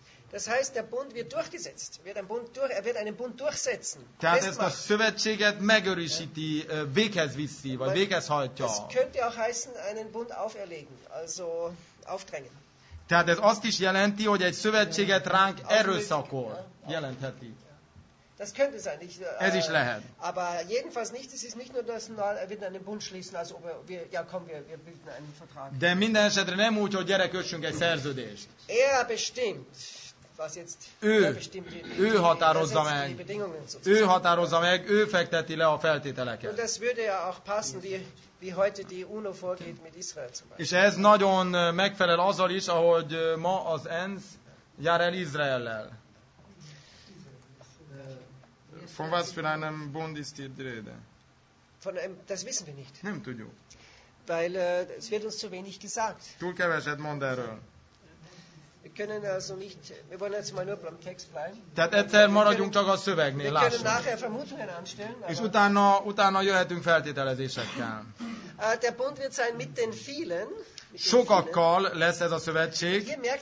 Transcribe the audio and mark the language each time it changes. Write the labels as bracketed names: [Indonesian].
[German] Das heißt, der Bund wird durchgesetzt. Er wird einen Bund durchsetzen. [Hungarian] Tehát ezt a szövetséget megerősíti, véghez viszi, vagy véghez hajtja. [German] Das könnte auch heißen, einen Bund auferlegen, also aufdrängen. [Hungarian] Tehát ez azt is jelenti, hogy egy szövetséget ránk erőszakol. Jelentheti. [German] Das könnte sein. Ich, [Hungarian] ez is lehet. [German] Aber jedenfalls nicht, es ist nicht nur das, er wird einen Bund schließen, also wir, ja komm, wir bilden einen Vertrag. [Hungarian] De minden esetre nem úgy, hogy gyere, kössünk egy szerződést. [German] Er bestimmt, was jetzt, [Hungarian] ő, [German] er bestimmt, [Hungarian] ő határozza meg, ő határozza meg, ő fekteti le a feltételeket. [German] Und das würde ja auch passen, wie heute die UNO vorgeht mit Israel zum Beispiel. [Hungarian] És ez nagyon megfelel azzal is, ahogy ma az ENSZ jár el Izraellel. [German] Von was für einem Bund ist die Rede? Von einem, das wissen wir nicht. [Hungarian] Nem tudjuk. [German] Weil es wird uns zu wenig gesagt. [Hungarian] Túl keveset mond erről. [German] Wir können also nicht, wir wollen jetzt mal nur beim Text bleiben. [Hungarian] Tehát egyszer maradjunk csak a szövegnél, lássuk. [German] Wir können nachher Vermutungen anstellen. [Hungarian] És utána jöhetünk feltételezésekkel. [German] Der Bund wird sein mit den vielen. [Hungarian] Sokakkal lesz ez a szövetség.